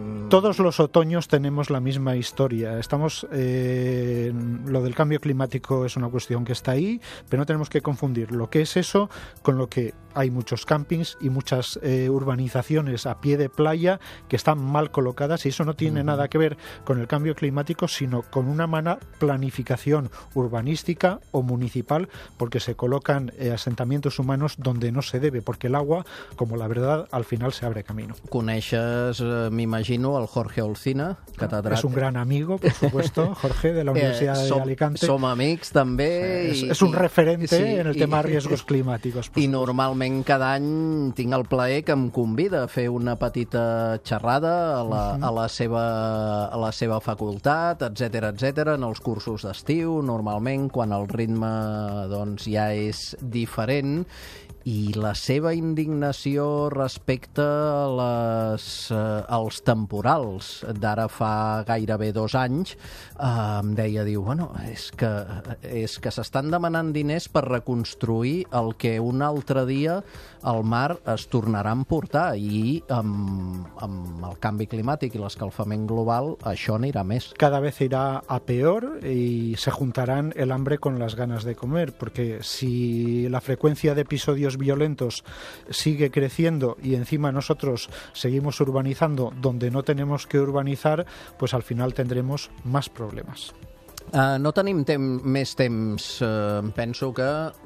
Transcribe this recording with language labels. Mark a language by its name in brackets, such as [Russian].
[Spanish] Todos los otoños tenemos la misma historia. Estamos... lo del cambio climático es una cuestión que está ahí, pero no tenemos que confundir lo que es eso con lo que hay muchos campings y muchas urbanizaciones a pie de playa que están mal colocadas, y eso no tiene nada que ver con el cambio climático, sino con una mala planificación urbanística o municipal, porque se colocan asentamientos humanos donde no se debe, porque el agua, como la verdad, al final se abre camino. [Catalan] Coneixes, m'imagino, el Jorge Olcina, catedràtic. [Spanish] És un gran amigo, por supuesto, Jorge, de la Universidad de Alicante. [Catalan] Som amics, també. [Spanish] És un referente en el tema de riesgos climáticos. [Catalan] I normalment cada any tinc el plaer que em convida a fer una petita xerrada a la seva facultat, etcètera, etcètera, en els cursos d'estiu, normalment, quan el ritme doncs ja és diferent, i la seva indignació respecte als temporals d'ara fa gairebé 2 anys, em deia, diu, bueno, és que s'estan demanant diners per reconstruir el que un altre dia el mar es tornarà a emportar, i amb el canvi climàtic i l'escalfament global això anirà més. [Spanish] Cada vez irá a peor y se juntarán el hambre con las ganas de comer, porque si la frecuencia de episodios incendios violentos sigue creciendo y encima nosotros seguimos urbanizando donde no tenemos que urbanizar, pues al final tendremos más problemas. [Catalan] No tenim més temps, penso que...